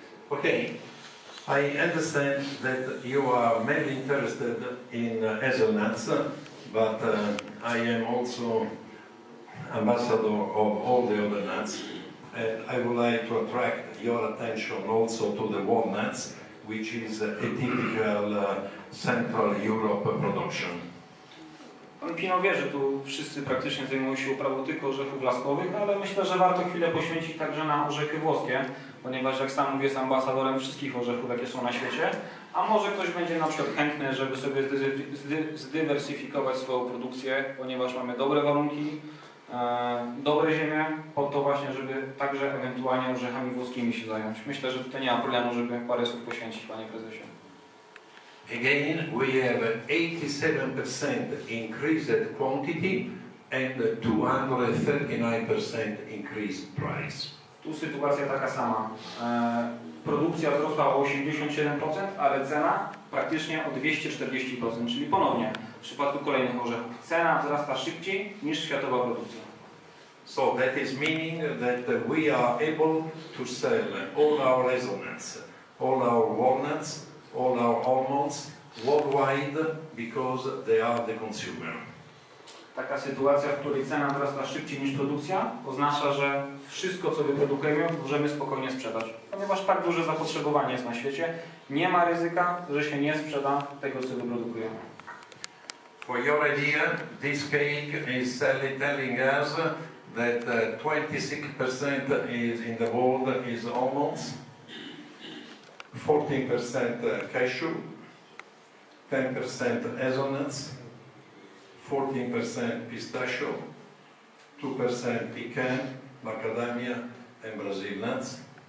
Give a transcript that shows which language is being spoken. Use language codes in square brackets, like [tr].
[en] Okay, I understand that you are mainly interested in hazelnuts, but I am also ambassador of all the other nuts, and I would like to attract your attention also to the walnuts, which is a typical Central Europe production. [pl] Pan Pino wie, że tu wszyscy praktycznie zajmują się uprawą tylko orzechów laskowych, ale myślę, że warto chwilę poświęcić także na orzechy włoskie, ponieważ jak sam mówię, jest ambasadorem wszystkich orzechów, jakie są na świecie, a może ktoś będzie na przykład chętny, żeby sobie zdywersyfikować swoją produkcję, ponieważ mamy dobre warunki, dobre ziemie, po to właśnie, żeby także ewentualnie orzechami włoskimi się zająć. Myślę, że tutaj nie ma problemu, żeby parę słów poświęcić, panie prezesie. [en] Again, we have 87% increased quantity and 239% increased price. [pl] Tu sytuacja taka sama. Produkcja wzrosła o 87%, ale cena praktycznie o 240%, czyli ponownie w przypadku kolejnych orzechów. Cena wzrasta szybciej niż światowa produkcja. [en] So that is meaning that we are able to sell all our hazelnuts, all our walnuts, all our almonds worldwide because they are the consumer. [pl] Taka sytuacja, w której cena wzrasta szybciej niż produkcja, oznacza, że wszystko, co wyprodukujemy, możemy spokojnie sprzedać. Ponieważ tak duże zapotrzebowanie jest na świecie, nie ma ryzyka, że się nie sprzeda tego, co wyprodukujemy. [en] For your idea, this cake is telling us that 26% is in the world is almonds, 14% cashew, 10% hazelnuts, 14% pistachio, 2% pecan, macadamia and Brazil nuts.